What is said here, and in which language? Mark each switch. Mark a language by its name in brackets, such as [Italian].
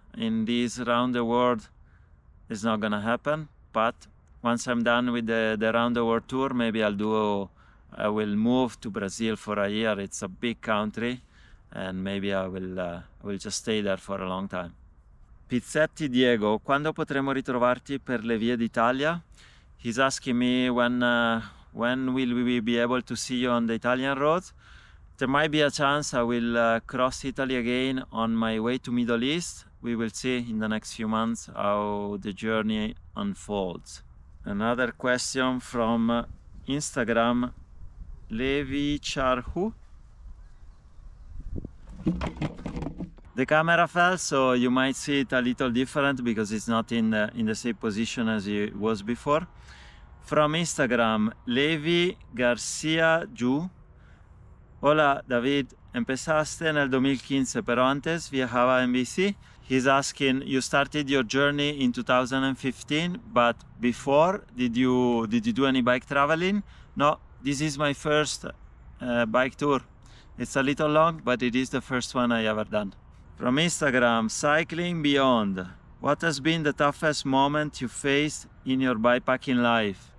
[English] In this round the world, it's not gonna happen. But once I'm done with the round the world tour, maybe I will move to Brazil for a year. It's a big country. And maybe I will just stay there for a long time. [Italian] Pizzetti Diego, quando potremo ritrovarti per le vie d'Italia? [English] He's asking me when will we be able to see you on the Italian roads. There might be a chance I will cross Italy again on my way to Middle East. We will see in the next few months how the journey unfolds. Another question from Instagram, Levi Charhu. The camera fell, so you might see it a little different because it's not in the same position as it was before. From Instagram, Levi Garcia Ju. [Spanish] Hola, [English] David. [Spanish] Empezaste en el 2015, pero antes viajaba en bici. [English] He's asking, you started your journey in 2015, but before, did you do any bike traveling? No, this is my first bike tour. It's a little long, but it is the first one I ever done. From Instagram, Cycling Beyond. What has been the toughest moment you faced in your bikepacking life?